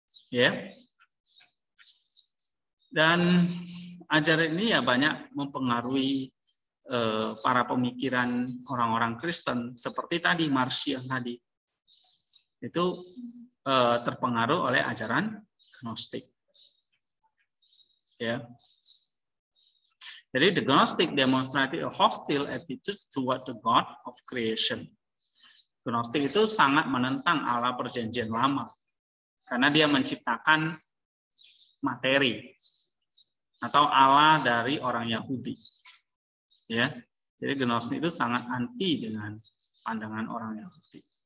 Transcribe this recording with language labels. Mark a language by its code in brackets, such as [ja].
[id] Ya, dan ajaran ini ya banyak mempengaruhi para pemikiran orang-orang Kristen seperti tadi Marcion tadi itu terpengaruh oleh ajaran Gnostik. Ya, jadi [en] the Gnostic demonstrated a hostile attitude toward the God of creation. [id] Gnostik itu sangat menentang Allah Perjanjian Lama. Karena dia menciptakan materi atau Allah dari orang Yahudi, ya. Jadi Gnostik itu sangat anti dengan pandangan orang Yahudi.